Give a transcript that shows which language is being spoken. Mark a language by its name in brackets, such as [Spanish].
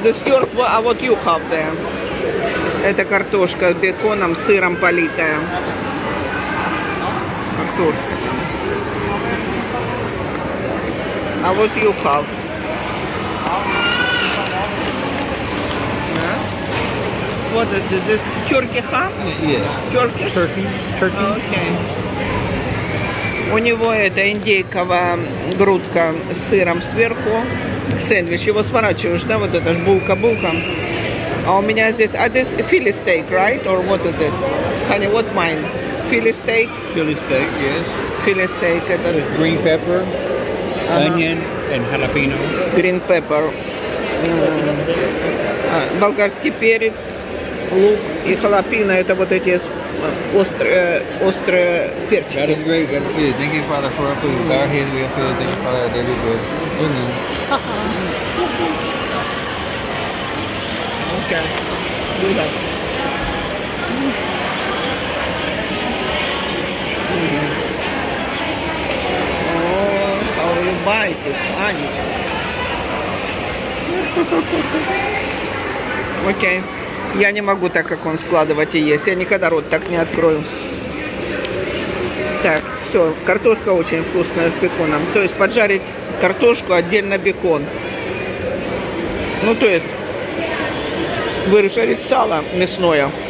[English] This is yours, [Russian] а вот [English] you have there. [Russian] Это картошка с беконом, сыром политая. Картошка. А вот [English] you have. What is this? This turkey, huh? Yes. Turkish? Turkey. Okay. [Russian] У него это индейковая грудка с сыром сверху. Сэндвич, его сворачиваешь, да, вот это ж булка-булка. А у меня здесь, [English] this Philly steak, right? Or what is this? Honey, what mine? Philly steak? Philly steak, yes. Philly steak, [Russian] это... [English] There's green pepper, onion, and jalapeno. Green pepper. [Russian] Болгарский перец, лук и халапино, это вот эти острые перчики. [English] That is great, good food. Thank you, Father, for our food. Mm-hmm. Our hands, we are filled. Thank you, Father, our daily bread. Amen. Okay. Do that. Mm-hmm. Oh, how you bite it, Анечка. Okay. [Russian] Я не могу так, как он, складывать и есть. Я никогда рот так не открою. Так, все. Картошка очень вкусная с беконом. То есть поджарить картошку, отдельно бекон. Ну, то есть выжарить сало мясное.